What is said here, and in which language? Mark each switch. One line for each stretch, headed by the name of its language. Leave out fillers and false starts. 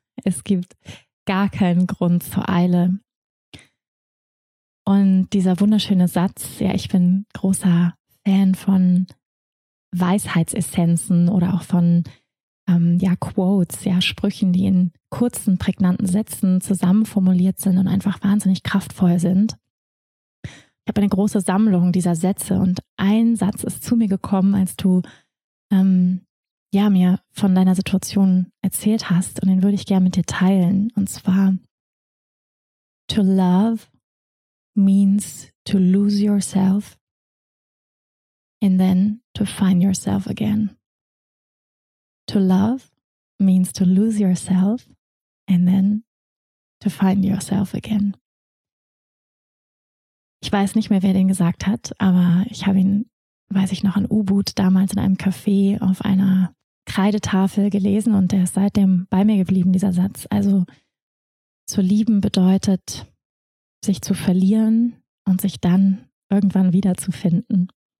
German: Es gibt gar keinen Grund zur Eile. Und dieser wunderschöne Satz, ja, ich bin großer Fan von Weisheitsessenzen oder auch von Quotes, ja, Sprüchen, die in kurzen, prägnanten Sätzen zusammenformuliert sind und einfach wahnsinnig kraftvoll sind. Ich habe eine große Sammlung dieser Sätze, und ein Satz ist zu mir gekommen, als du mir von deiner Situation erzählt hast, und den würde ich gerne mit dir teilen. Und zwar:
English: To love means to lose yourself and then to find yourself again. To love means to lose yourself and then to find yourself again.
German: Ich weiß nicht mehr, wer den gesagt hat, aber ich habe ihn, weiß ich noch, in Ubud damals in einem Café auf einer Kreidetafel gelesen und der ist seitdem bei mir geblieben, dieser Satz. Also zu lieben bedeutet, sich zu verlieren und sich dann irgendwann wiederzufinden.